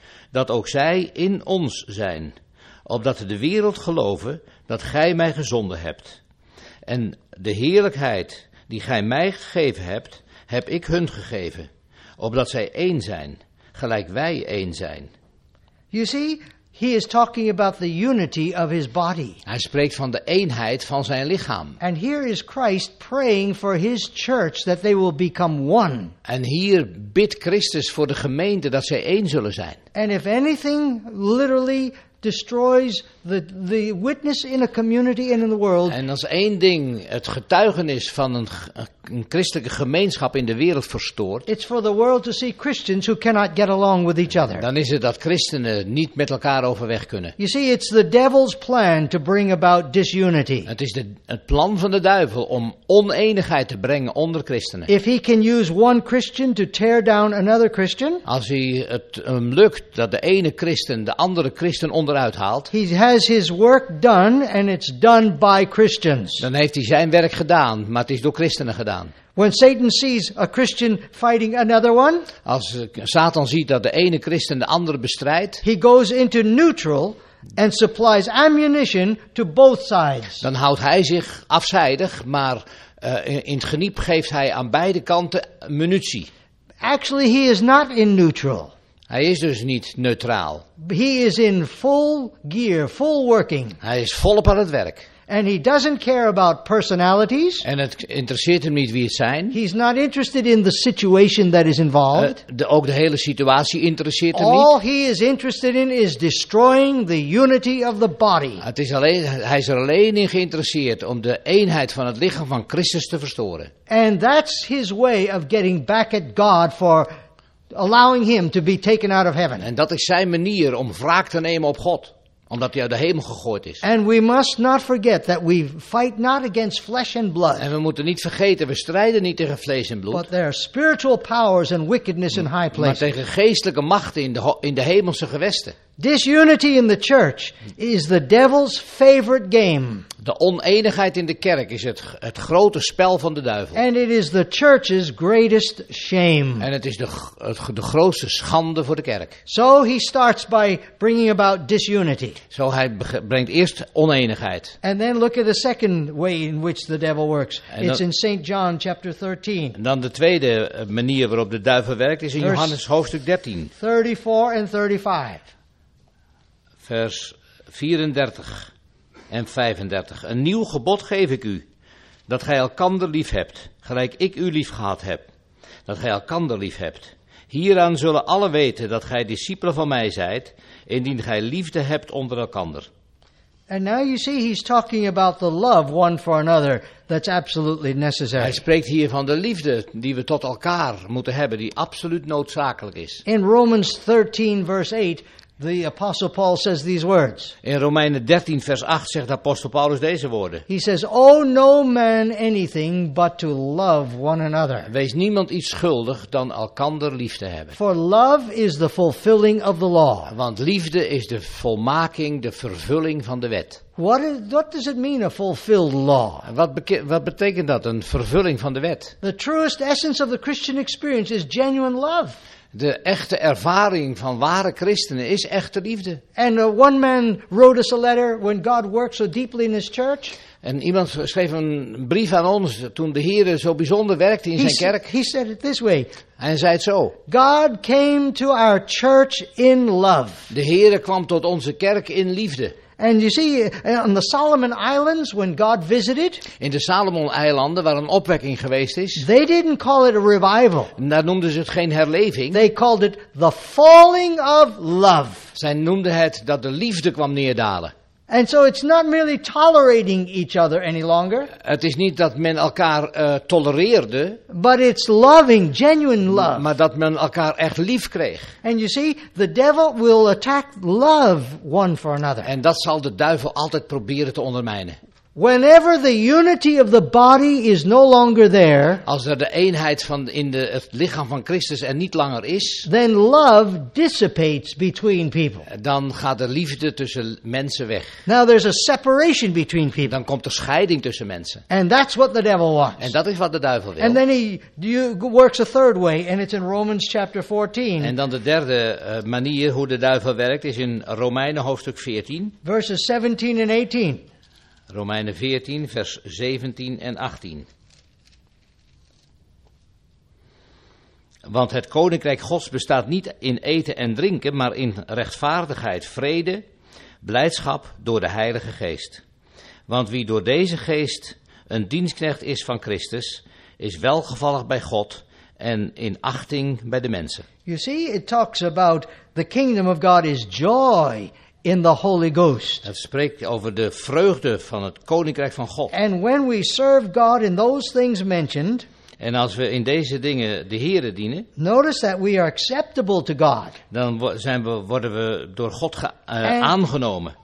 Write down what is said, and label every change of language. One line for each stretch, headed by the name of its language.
Dutch: Dat ook zij in ons zijn. Opdat de wereld geloven dat gij mij gezonden hebt. En de heerlijkheid die gij mij gegeven hebt, heb ik hun gegeven. Opdat zij één zijn, gelijk wij één zijn.
English: You see, he is talking about the unity of his body.
Dutch: Hij spreekt van de eenheid van zijn lichaam.
English: And here is Christ praying for his church that they will become one.
Dutch: En hier bidt Christus voor de gemeente dat zij één zullen zijn.
English: And if anything literally destroys the witness in a community and in the world.
Dutch: En als één ding het getuigenis van een christelijke gemeenschap in de wereld verstoort.
English: It's for the world to see Christians who cannot get along with each other.
Dutch: Dan is het dat christenen niet met elkaar overweg kunnen.
English: You see, it's the devil's plan to bring about disunity.
Dutch: Het is het plan van de duivel om oneenigheid te brengen onder christenen.
English: If he can use one Christian to tear down another Christian.
Dutch: Als hij het hem lukt dat de ene christen de andere christen onderuit haalt.
English: He has his work done and it's done by Christians.
Dutch: Dan heeft hij zijn werk gedaan, maar het is door christenen gedaan.
English: When Satan sees a Christian fighting another one,
Dutch: als Satan ziet dat de ene christen de andere bestrijdt,
English: he goes into neutral and supplies ammunition to both sides.
Dutch: Dan houdt hij zich afzijdig, maar in het geniep geeft hij aan beide kanten munitie.
English: Actually he is not in neutral.
Dutch: Hij is dus niet neutraal.
English: He is in full gear, full working.
Dutch: Hij is volop aan het werk.
English: And he doesn't care about personalities.
Dutch: En het interesseert hem niet wie het zijn.
English: He's not interested in the situation that is involved.
Dutch: Ook de hele situatie interesseert hem niet.
English: All he is interested in is destroying the unity of the body.
Dutch: Hij is er alleen in geïnteresseerd om de eenheid van het lichaam van Christus te verstoren.
English: And that's his way of getting back at God for allowing him to be taken out of heaven.
Dutch: En dat is zijn manier om wraak te nemen op God, omdat hij uit de hemel gegooid is.
English: And we must not forget that we fight not against flesh and blood.
Dutch: En we moeten niet vergeten, we strijden niet tegen vlees en bloed.
English: But there are spiritual powers and wickedness in high places.
Dutch: Maar tegen geestelijke machten in de hemelse gewesten.
English: Disunity in the church is the devil's favorite game.
Dutch: De oneenigheid in de kerk is het grote spel van de duivel.
English: And it is the church's greatest shame.
Dutch: En het is de grootste schande voor de kerk.
English: So he starts by bringing about disunity.
Dutch: Zo hij brengt eerst oneenigheid.
English: And then look at the second way in which the devil works. It's in St. John chapter 13.
Dutch: En dan de tweede manier waarop de duivel werkt is in Johannes hoofdstuk 13.
English: 34 and 35.
Dutch: Vers 34 en 35. Een nieuw gebod geef ik u, dat gij elkander lief hebt, gelijk ik u lief gehad heb. Dat gij elkander lief hebt. Hieraan zullen alle weten dat gij discipelen van mij zijt, indien gij liefde hebt onder elkander.
English: And now you see he's talking about the love one for another that's absolutely necessary.
Dutch: Hij spreekt hier van de liefde die we tot elkaar moeten hebben, die absoluut noodzakelijk is.
English: In Romans 13 verse 8... The apostle Paul says these words.
Dutch: In Romeinen 13 vers 8 zegt de apostel Paulus deze woorden.
English: He says, owe no man anything but to love one another.
Dutch: Wees niemand iets schuldig dan elkander lief te hebben.
English: For love is the fulfilling of the law.
Dutch: Want liefde is de volmaking, de vervulling van de wet.
English: What does it mean, a fulfilled law?
Dutch: Wat betekent dat, een vervulling van de wet?
English: The truest essence of the Christian experience is genuine love.
Dutch: De echte ervaring van ware christenen is echte liefde.
English: And one man wrote us a letter when God worked so deeply in his church.
Dutch: En iemand schreef een brief aan ons toen de Heer zo bijzonder werkte in zijn kerk.
English: He said it this way.
Dutch: En zei het zo.
English: God came to our church in love.
Dutch: De Heer kwam tot onze kerk in liefde.
English: And you see, on the Solomon Islands, when God visited,
Dutch: in de Salomon-eilanden, waar een opwekking geweest is,
English: they didn't call it a revival.
Dutch: Daar noemden ze het geen herleving.
English: They called it the falling of love.
Dutch: Zij noemden het dat de liefde kwam neerdalen.
English: And so it's not merely tolerating each other any longer.
Dutch: Het is niet dat men elkaar tolereerde.
English: But it's loving, genuine love.
Dutch: Maar dat men elkaar echt lief kreeg.
English: And you see, the devil will attack love one for another.
Dutch: En dat zal de duivel altijd proberen te ondermijnen.
English: Whenever the unity of the body is no longer there,
Dutch: als er de eenheid van in de, het lichaam van Christus er niet langer is,
English: then love dissipates between people.
Dutch: Dan gaat de liefde tussen mensen weg.
English: Now there's a separation between people.
Dutch: Dan komt er scheiding tussen mensen.
English: And that's what the devil wants.
Dutch: En dat is wat de duivel wil.
English: And then he works a third way, and it's in Romans chapter 14.
Dutch: En dan de derde manier hoe de duivel werkt is in Romeinen hoofdstuk 14.
English: Verses 17 and 18.
Dutch: Romeinen 14, vers 17 en 18. Want het koninkrijk Gods bestaat niet in eten en drinken, maar in rechtvaardigheid, vrede, blijdschap door de Heilige Geest. Want wie door deze geest een dienstknecht is van Christus, is welgevallig bij God en in achting bij de mensen.
English: You see, it talks about the kingdom of God is joy. In the Holy Ghost.
Dutch: Het spreekt over de vreugde van het koninkrijk van God.
English: And when we serve God in those things mentioned,
Dutch: en als we in deze dingen de Here dienen,
English: notice that we are acceptable to God.
Dutch: Dan worden we door God aangenomen.